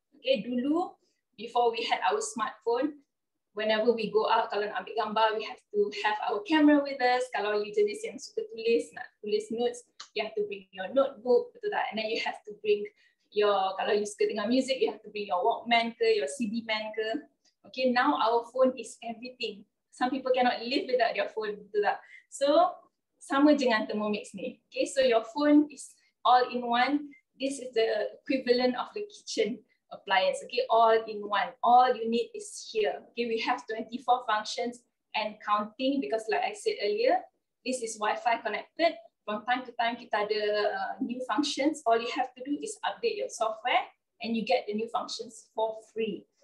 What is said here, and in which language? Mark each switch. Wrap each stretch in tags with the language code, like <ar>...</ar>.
<en>Okay, dulu before we had our smartphone, whenever we go out,</en> <ms>kalau nak ambil gambar,</ms> <en>we have to have our camera with us.</en> <ms>Kalau you jenis yang suka tulis, nak tulis notes,</ms> <en>you have to bring your notebook,</en> <ms>betul tak?</ms> <en>And then you have to bring your,</en> <ms>kalau you suka dengar music,</ms> <en>you have to bring your Walkman ke, your CD man ke. Okay, now our phone is everything. Some people cannot live without their phone,</en> <ms>betul tak? So, sama dengan Thermomix ni.</ms> <en>Okay, so your phone is all in one. This is the equivalent of the kitchen appliance. Okay, all in one. All you need is here. Okay, we have 24 functions and counting because like I said earlier, this is Wi-Fi connected. From time to time,</en> <ms>kita ada</ms> <en>new functions. All you have to do is update your software and you get the new functions for free.</en>